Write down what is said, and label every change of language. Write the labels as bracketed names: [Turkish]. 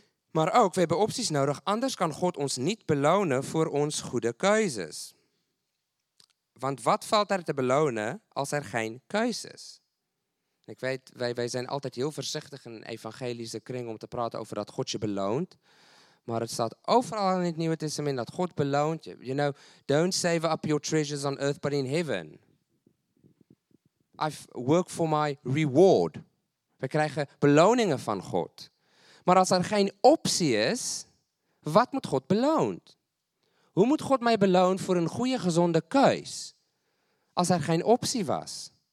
[Dutch] Maar ook, we hebben opties nodig, anders kan God ons niet belonen voor ons goede keuzes. Want wat valt er te belonen als er geen keuzes? Ik weet, wij zijn altijd heel voorzichtig in een evangelische kring om te praten over dat God je beloont. Maar het staat overal in het Nieuwe Testament dat God beloont je. [English] You know, don't save up your treasures on earth, but in heaven. I've worked for my reward. [Dutch] We krijgen beloningen van God. Maar als er geen optie is, wat moet God beloont? Hoe moet God mij belonen voor een goede, gezonde keus? Als er geen optie was.